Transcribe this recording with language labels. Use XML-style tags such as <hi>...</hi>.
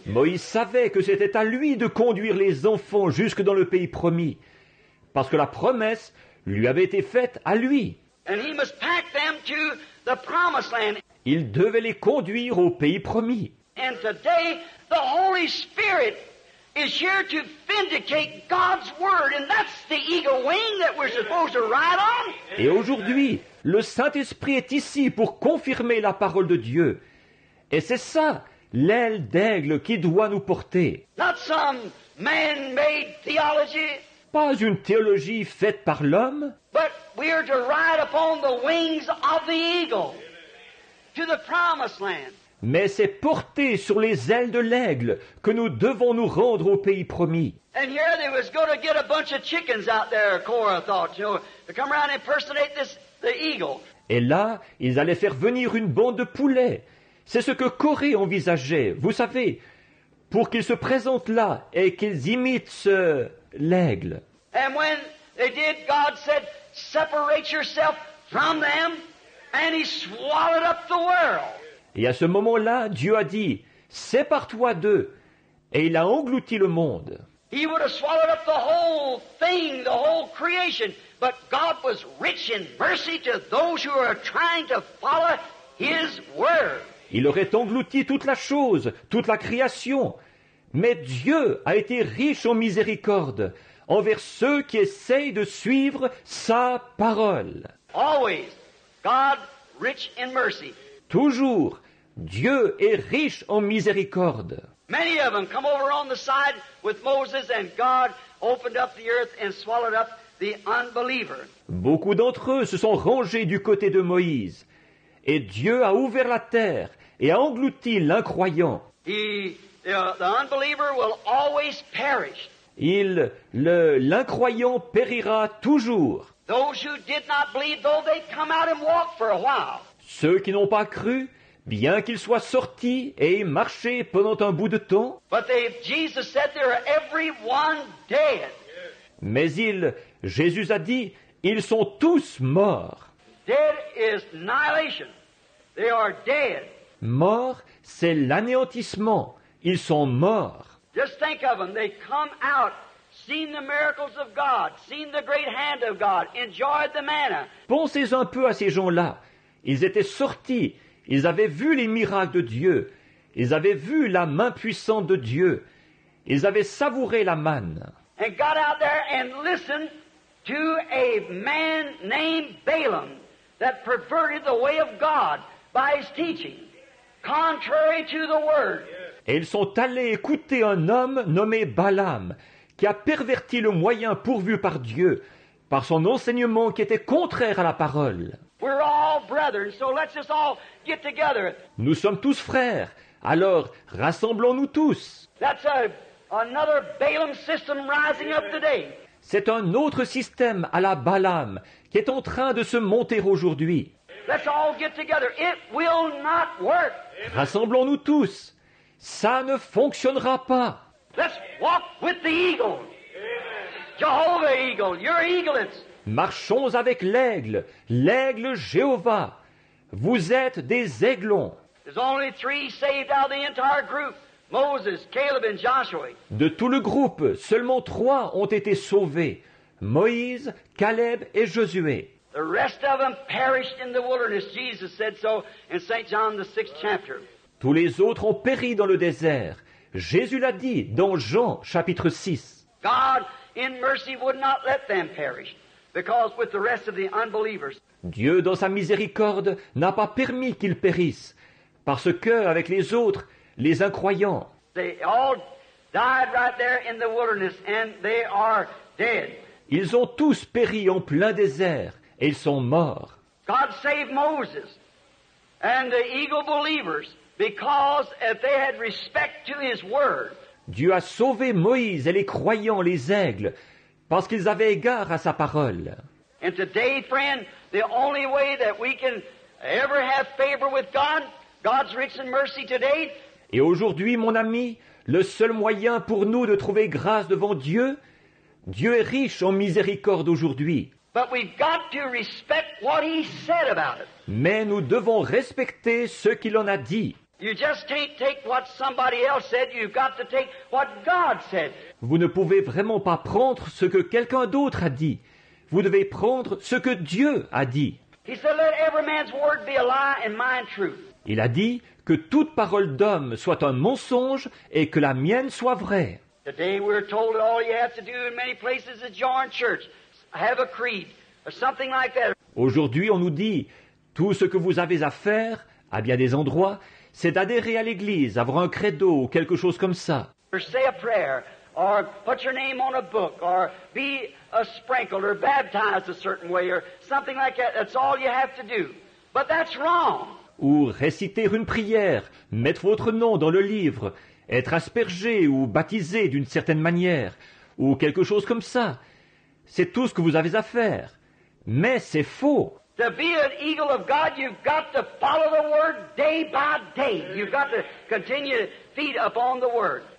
<fr>Moïse savait que c'était à lui de conduire les enfants jusque dans le pays promis parce que la promesse lui avait été faite à lui.</fr> <en>And he must pack them to the promised land.</en> <fr>Il devait les conduire au pays promis.</fr> <en>And today the Holy Spirit is here to vindicate God's word, and that's the eagle wing that we're supposed to ride on.</en> <fr>Et aujourd'hui, le Saint-Esprit est ici pour confirmer la parole de Dieu. Et c'est ça, l'aile d'aigle qui doit nous porter.</fr> <en>Not some man-made theology.</en> <fr>Pas une théologie faite par l'homme.</fr> <en>But we are to ride upon the wings of the eagle to the promised land.</en> <fr>Mais c'est porté sur les ailes de l'aigle que nous devons nous rendre au pays promis.</fr> <en>And here they was going to get a bunch of chickens out there, Korah thought, you know, to come around and impersonate this, the eagle.</en> <fr>Et là, ils allaient faire venir une bande de poulets. C'est ce que Korah envisageait, vous savez, pour qu'ils se présentent là et qu'ils imitent ce, l'aigle.</fr> <en>And when they did, God said, "Separate yourself from them," and he swallowed up the world.</en> <fr>Et à ce moment-là, Dieu a dit, « Sépare-toi d'eux !» Et il a englouti le monde.</fr> <en>He would have swallowed up the whole thing, the whole creation. But God was rich in mercy to those who are trying to follow His word.</en> <fr>Il aurait englouti toute la chose, toute la création. Mais Dieu a été riche en miséricorde envers ceux qui essayent de suivre sa parole.</fr> <en>Always, God rich in mercy.</en> <fr>Toujours, Dieu est riche en miséricorde.</fr> <en>Many of them come over on the side with Moses, and God opened up the earth and swallowed up the unbeliever.</en> <fr>Beaucoup d'entre eux se sont rangés du côté de Moïse, et Dieu a ouvert la terre et a englouti l'incroyant.</fr> <en>The unbeliever will always perish.</en> <fr>L'incroyant périra toujours.</fr> <en>Those who did not believe, though they come out and walk for a while.</en> <fr>Ceux qui n'ont pas cru, bien qu'ils soient sortis et aient marché pendant un bout de temps,</fr> <en>Jesus said, "There are everyone dead."</en> <fr>Mais Jésus a dit, ils sont tous morts.</fr> <en>Dead is annihilation. They are dead.</en> <fr>Mort, c'est l'anéantissement. Ils sont morts.</fr> <en>Just think of them. They come out, seen the miracles of God, seen the great hand of God, enjoyed the manna.</en> <fr>Pensez un peu à ces gens-là. Ils étaient sortis, ils avaient vu les miracles de Dieu, ils avaient vu la main puissante de Dieu, ils avaient savouré la manne.</fr> <en>And got out there and listened to a man named Balaam that perverted the way of God by his teaching, contrary to the word.</en> <fr>Et ils sont allés écouter un homme nommé Balaam qui a perverti le moyen pourvu par Dieu par son enseignement qui était contraire à la parole.</fr> <en>We're all brethren, so let's just all get together.</en> <fr>Nous sommes tous frères, alors rassemblons-nous tous.</fr> <en>That's another Balaam system rising up today.</en> <fr>C'est un autre système à la Balaam qui est en train de se monter aujourd'hui.</fr> <en>Let's all get together. It will not work.</en> <fr>Rassemblons-nous tous. Ça ne fonctionnera pas.</fr> <en>Let's walk with the eagle. Jehovah eagle, your eaglets.</en> <fr>Marchons avec l'aigle, l'aigle Jéhovah. Vous êtes des aiglons.</fr> <en>There's only three saved out of the entire group, Moses, Caleb and Joshua.</en> <fr>De tout le groupe, seulement trois ont été sauvés, Moïse, Caleb et Josué.</fr> <en>The rest of them perished in the wilderness, Jesus said so in St. John the 6th chapter.</en> <fr>Tous les autres ont péri dans le désert. Jésus l'a dit dans Jean chapitre 6.</fr> <en>God in mercy would not let them perish. Because with the rest of the unbelievers.</en> <fr>Dieu, dans sa miséricorde, n'a pas permis qu'ils périssent, parce que, avec les autres, les incroyants,</fr> <en>they all died right there in the wilderness, and they are dead.</en> <fr>Ils ont tous péri en plein désert, et ils sont morts.</fr> <en>God saved Moses. and the eagle believers because if they had respect to his word.</en> <fr>Dieu a sauvé Moïse et les croyants, les aigles, parce qu'ils avaient égard à sa parole.</fr> <en>And today, friend, the only way that we can ever have favor with God, God's riches and mercy today.</en> <fr>Et aujourd'hui, mon ami, le seul moyen pour nous de trouver grâce devant Dieu, Dieu est riche en miséricorde aujourd'hui.</fr> <en>But we've got to respect what he said about it.</en> <fr>Mais nous devons respecter ce qu'il en a dit.</fr> <en>You just can't take what somebody else said, you've got to take what God said.</en> <fr>Vous ne pouvez vraiment pas prendre ce que quelqu'un d'autre a dit. Vous devez prendre ce que Dieu a dit.</fr> <en>He said, let every man's word be a lie and mine truth.</en> <fr>Il a dit que toute parole d'homme soit un mensonge et que la mienne soit vraie.</fr> <en>Today we're told that all you have to do in many places is join church, have a creed, or something like that.</en> <fr>Aujourd'hui, on nous dit tout ce que vous avez à faire à bien des endroits, c'est d'adhérer à l'église, avoir un credo ou quelque chose comme ça.</fr> <en>Or say a prayer, or put your name on a book, or be a sprinkled or baptized a certain way, or something like that. That's all you have to do. But that's wrong.</en> <fr>Ou réciter une prière, mettre votre nom dans le livre, être aspergé ou baptisé d'une certaine manière, ou quelque chose comme ça. C'est tout ce que vous avez à faire. Mais c'est faux.</fr> <en>To be an eagle of God, you've got to follow the word day by day. You've got to continue to feed upon the word.</en>